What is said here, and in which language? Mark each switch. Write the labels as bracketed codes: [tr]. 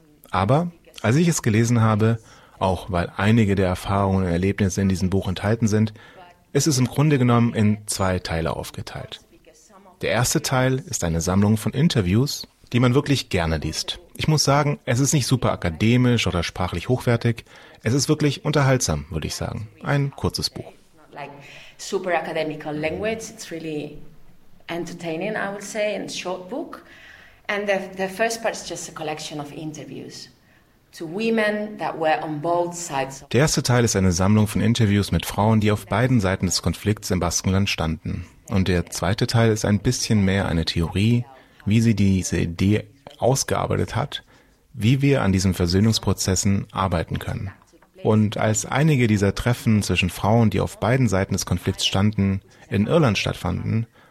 [de] Aber als ich es gelesen habe, auch weil einige der Erfahrungen und Erlebnisse in diesem Buch enthalten sind, ist es im Grunde genommen in 2 Teile aufgeteilt. Der erste Teil ist eine Sammlung von Interviews, die man wirklich gerne liest. Ich muss sagen, es ist nicht super akademisch oder sprachlich hochwertig. Es ist wirklich unterhaltsam, würde ich sagen. Ein kurzes Buch. [en] Super akademical language, it's really entertaining, I would say, and short book. And the first part is just a collection of interviews to women that were on both sides. [de] Der erste Teil ist eine Sammlung von Interviews mit Frauen, die auf beiden Seiten des Konflikts im Baskenland standen. Und der zweite Teil ist ein bisschen mehr eine Theorie, wie sie diese Idee ausgearbeitet hat, wie wir an diesen Versöhnungsprozessen arbeiten können. Und als einige dieser Treffen zwischen Frauen, die auf beiden Seiten des Konflikts standen, in Irland stattfanden,